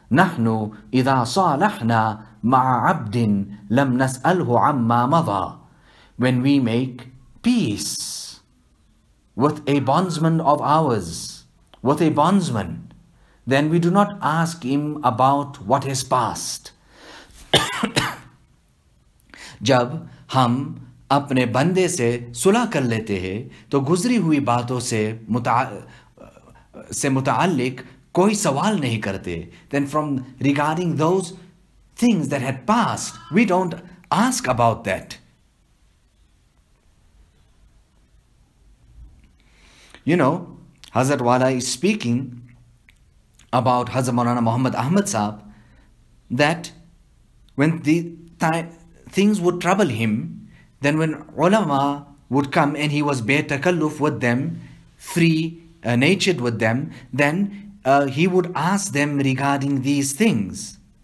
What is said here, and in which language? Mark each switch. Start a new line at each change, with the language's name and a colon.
Arabic: نَحْنُ إِذَا صَالَحْنَا مَعَ عَبْدٍ لَمْ نَسْأَلْهُ عَمَّا مَضَى.
English: When we make peace with a bondsman of ours, with a bondsman, then we do not ask him about what has passed.
Urdu: جب ہم اپنے بندے سے صلح کر لیتے ہیں تو گزری ہوئی باتوں سے متعلق کوئی سوال نہیں کرتے.
English: Then from regarding those things that had passed, we don't ask about that. You know, Hazrat Wala is speaking about Hazrat Maulana Muhammad Ahmad Sahab, that when the things would trouble him, then when ulama would come and he was bare takalluf with them, free natured with them, then he would ask them regarding these things.